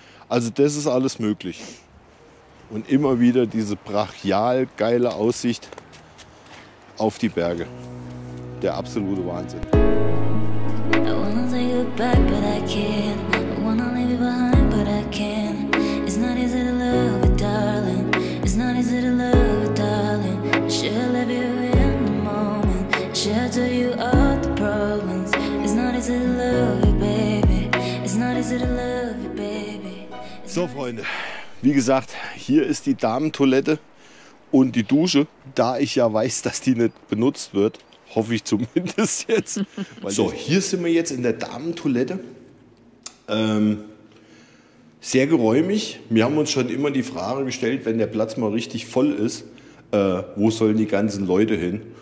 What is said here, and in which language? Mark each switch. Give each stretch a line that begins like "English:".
German: Also das ist alles möglich. Und immer wieder diese brachial geile Aussicht auf die Berge. Der absolute Wahnsinn.
English: I wanna take you back, but I can't. I wanna leave you behind, but I can't. It's not easy to love you, darling. It's not easy to love you, darling. I should leave you in the moment. I should tell you all the problems. It's not easy to love you, baby. It's not easy to love you, baby.
German: So, Freunde. Wie gesagt, hier ist die Damentoilette und die Dusche. Da ich ja weiß, dass die nicht benutzt wird, hoffe ich zumindest jetzt. So, hier sind wir jetzt in der Damentoilette. Sehr geräumig. Wir haben uns schon immer die Frage gestellt, wenn der Platz mal richtig voll ist, wo sollen die ganzen Leute hin?